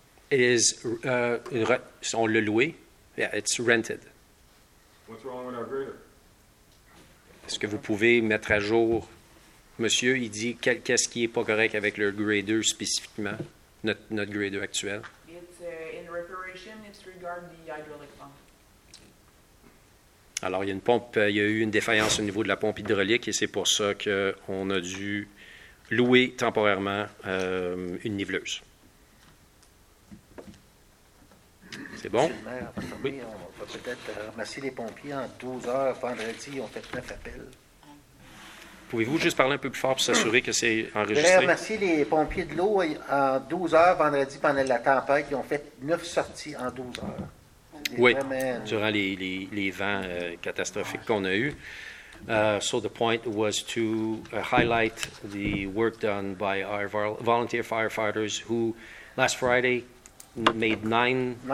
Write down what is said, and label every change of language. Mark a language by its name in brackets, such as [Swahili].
[English] It is, [French] on le loué. [English] Yeah, it's rented. What's wrong with our grader? [French] Est-ce que vous pouvez mettre à jour, monsieur, il dit qu'est-ce qui n'est pas correct avec le grader spécifiquement, notre grader actuel? [English] It's in reparation, it's regarding the hydraulic pump. [French] Alors, il y a eu une défaillance au niveau de la pompe hydraulique et c'est pour ça qu'on a dû louer temporairement une niveleuse. C'est bon? Oui. On va peut-être remercier les pompiers en 12 heures vendredi. Ils ont fait 9 appels. Pouvez-vous juste parler un peu plus fort pour s'assurer que c'est enregistré? Je remercier les pompiers de l'eau en 12 heures vendredi pendant la tempête. Ils ont fait 9 sorties en 12 heures. C'est oui, vraiment durant les vents catastrophiques qu'on a eus. [English] So the point was to highlight the work done by our volunteer firefighters who last Friday made nine